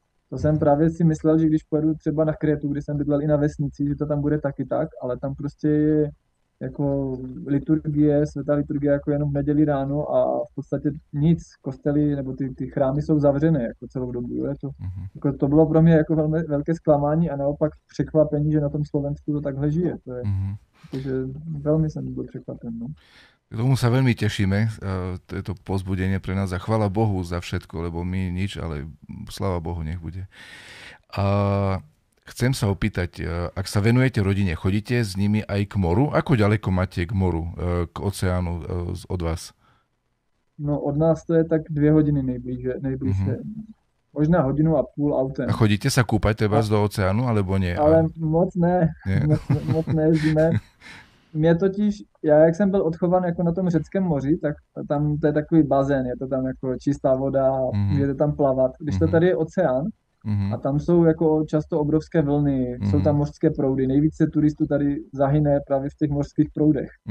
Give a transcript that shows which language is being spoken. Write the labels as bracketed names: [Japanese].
[Czech] To jsem právě si myslel, že když pojedu třeba na Krétu, kde jsem bydlel i na vesnici, že to tam bude taky tak, ale tam prostě je jako liturgie, svatá liturgie jako jenom v neděli ráno a v podstatě nic, kostely nebo ty chrámy jsou zavřené jako celou dobu, jo, to jako to bylo pro mě jako velké zklamání a naopak překvapení, že na tom Slovensku to takhle žije, to je [Slovak] Takže veľmi som bol prekvapený. No. K tomu sa veľmi tešíme. To je to povzbudenie pre nás a chvála Bohu za všetko, lebo my nič, ale sláva Bohu nech bude. A chcem sa opýtať, ak sa venujete rodine, chodíte s nimi aj k moru? Ako ďaleko máte k moru, k oceánu od vás? No od nás to je tak 2 hodiny nejbližšie. [Czech] Možná hodinu a půl autem. [Slovak] A chodíte sa kúpať teda do oceánu, alebo nie? [Czech] Ale moc ne. Moc nejezdíme. Mě totiž, já jak jsem byl odchován jako na tom Řeckém moři, tak tam to je takový bazén, je to tam jako čistá voda, můžete tam plavat. Když to tady je oceán, a tam jsou jako často obrovské vlny, jsou tam mořské proudy, nejvíce turistů tady zahyne právě v těch mořských proudech.